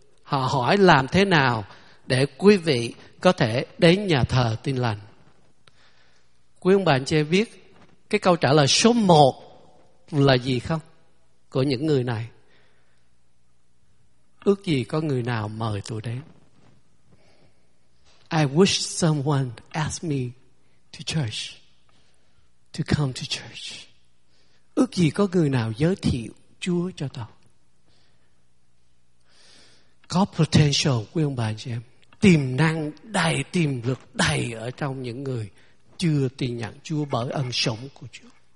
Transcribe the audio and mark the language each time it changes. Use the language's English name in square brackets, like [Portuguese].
[Vietnamese] Họ hỏi làm thế nào để quý vị có thể đến nhà thờ Tin Lành. Quý ông bà anh chị em biết cái câu trả lời số 1 là gì không? Của những người này: ước gì có người nào mời tôi đến. [English] I wish someone asked me to church, to come to church. [Vietnamese] Ước gì có người nào giới thiệu Chúa cho tôi. Có potential, quý ông bà anh chị em, tiềm năng đầy, tiềm lực đầy ở trong những người chưa tin nhận Chúa bởi ân sủng của Chúa.